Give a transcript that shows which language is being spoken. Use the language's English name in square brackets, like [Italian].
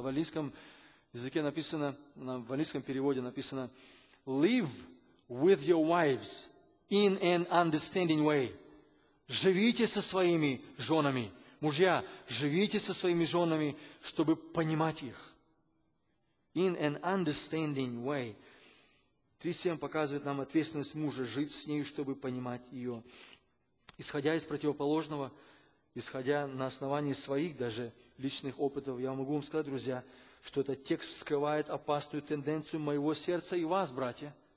[Russian] В английском языке написано, в английском переводе написано: [English] live with your wives in an understanding way. [Russian] Живите со своими женами. Мужья, живите со своими женами, чтобы понимать их. [English] In an understanding way. [Russian] 3:7 показывает нам ответственность мужа жить с ней, чтобы понимать ее. Исходя из противоположного, исходя на основании своих даже личных опытов, я могу вам сказать, друзья, что этот текст вскрывает опасную тенденцию моего сердца и вас, братья.